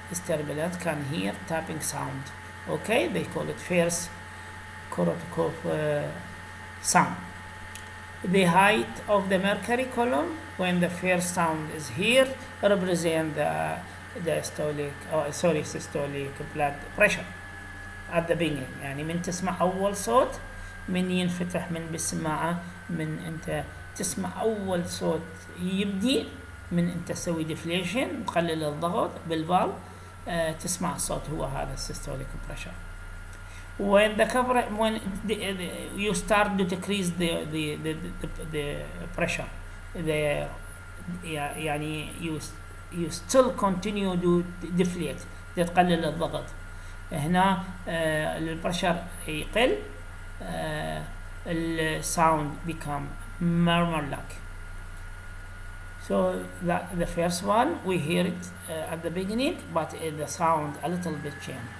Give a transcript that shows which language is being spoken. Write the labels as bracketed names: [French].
[English] This turbulence can hear tapping sound. Okay, they call it first Korotkov sound. The height of the mercury column, when the first sound is here, represent systolic blood pressure at the beginning. [Arabic] يعني من تسمع أول صوت من ينفتح من بالسماعة من أنت تسمع أول صوت يبدي من أنت تسوي deflation تقلل الضغط بالفال. تسمع الصوت هو هذا [English] systolic pressure. When the cover when the, you start to decrease the pressure, the يعني you still continue to deflate, [Arabic] تتقلل الضغط. [English] هنا البرشر يقل, الساوند become murmur-like. So that the first one we hear it at the beginning, but the sound a little bit changed.